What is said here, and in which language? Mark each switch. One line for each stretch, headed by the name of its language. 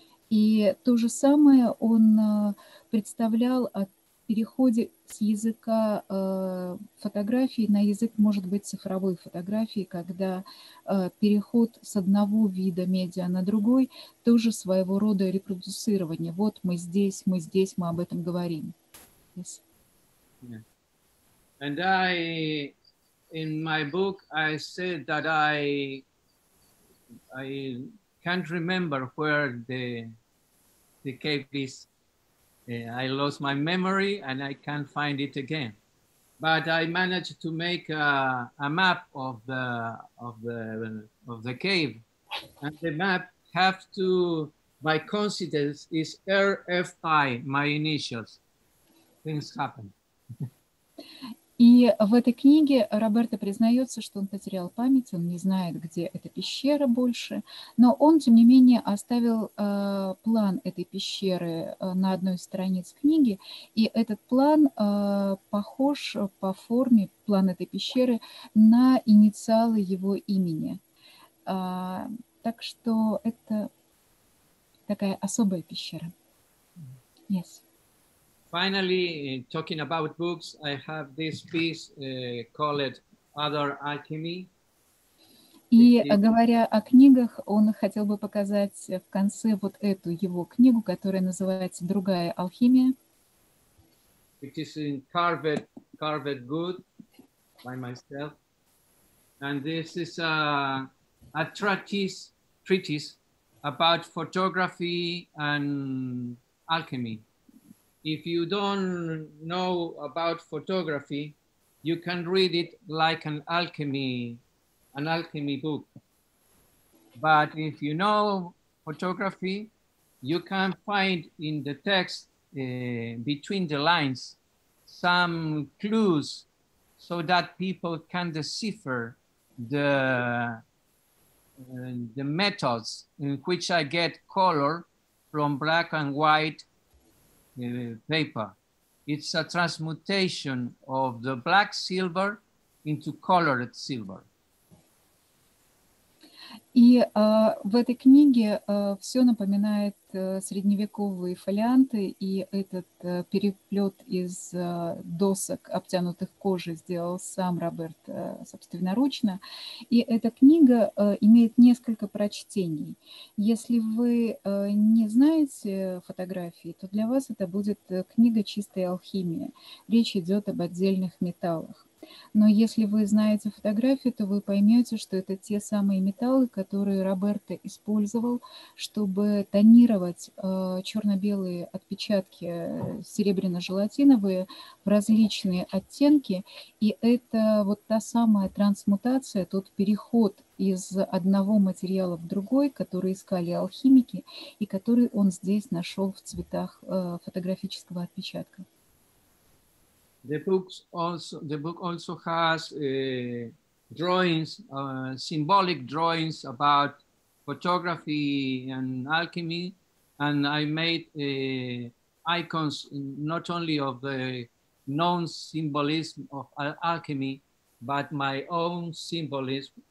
Russian: И то же самое он представлял о переходе с языка фотографии на язык, может быть, цифровой фотографии, когда переход с одного вида медиа на другой тоже своего рода репродуцирование. Вот мы здесь, мы об этом говорим.
English: Yes. Yeah. And I, in my book, I said that I can't remember where the cave is. I lost my memory and I can't find it again. But I managed to make a map of the cave, and the map have to, by coincidence, is RFI, my initials. Things happen.
Russian: И в этой книге Роберто признается, что он потерял память, он не знает, где эта пещера больше, но он, тем не менее, оставил план этой пещеры на одной из страниц книги, и этот план похож по форме, план этой пещеры, на инициалы его имени. Так что это такая особая пещера.
English: Yes. Finally, talking about books, I have this piece called "Other Alchemy."
Russian: И говоря о книгах, он хотел бы показать в конце вот эту его книгу, которая называется "Другая алхимия."
English: It is in carved wood by myself, and this is a treatise about photography and alchemy. If you don't know about photography, you can read it like an alchemy book. But if you know photography, you can find in the text, between the lines, some clues so that people can decipher the methods in which I get color from black and white paper. It's a transmutation of the black silver into colored silver.
Russian: И в этой книге все напоминает средневековые фолианты, и этот переплет из досок, обтянутых кожей, сделал сам Роберт собственноручно. И эта книга имеет несколько прочтений. Если вы не знаете фотографии, то для вас это будет книга чистой алхимии. Речь идет об отдельных металлах. Но если вы знаете фотографию, то вы поймете, что это те самые металлы, которые Роберто использовал, чтобы тонировать черно-белые отпечатки серебряно-желатиновые в различные оттенки. И это вот та самая трансмутация, тот переход из одного материала в другой, который искали алхимики, и который он здесь нашел в цветах фотографического отпечатка.
English: The book also has drawings, symbolic drawings about photography and alchemy, and I made icons not only of the known symbolism of alchemy, but my own symbolism.